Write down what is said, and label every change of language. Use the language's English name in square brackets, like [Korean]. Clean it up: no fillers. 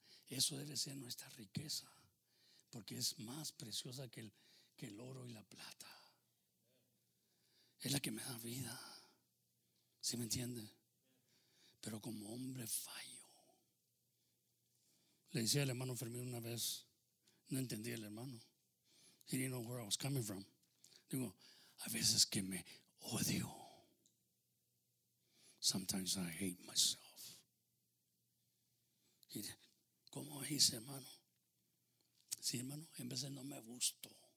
[Spanish] Eso debe ser nuestra riqueza, porque es más preciosa que el oro y la plata. Es la que me da vida. ¿Sí me entiende? Pero como hombre fallo. Le decía al hermano Fermín una vez, no entendía el hermano. [English] He didn't know where I was coming from. [Spanish] Digo, a veces que me odio. [English] Sometimes I hate myself. [Spanish] Y ¿cómo dice, hermano? Sí, hermano, en veces no me gusto.